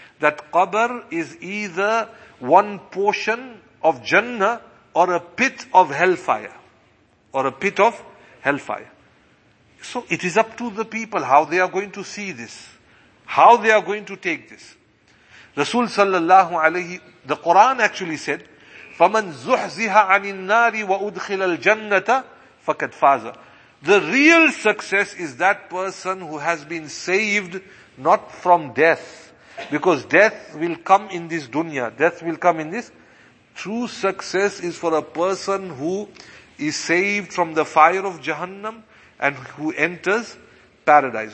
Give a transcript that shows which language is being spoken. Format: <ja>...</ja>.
<en>That qabr is either one portion of Jannah or a pit of hellfire. Or a pit of hellfire. So it is up to the people how they are going to see this. How they are going to take this.</en> <ar>Rasul sallallahu alayhi,</ar> <en>the Quran actually said,</en> <ar>فَمَنْ زُحْزِهَ عَنِ النَّارِ وَأُدْخِلَ الْجَنَّةَ فَكَدْ فَازَ.</ar> <en>The real success is that person who has been saved not from death. Because death will come in this dunya. Death will come in this. True success is for a person who is saved from the fire of Jahannam and who enters paradise.</en>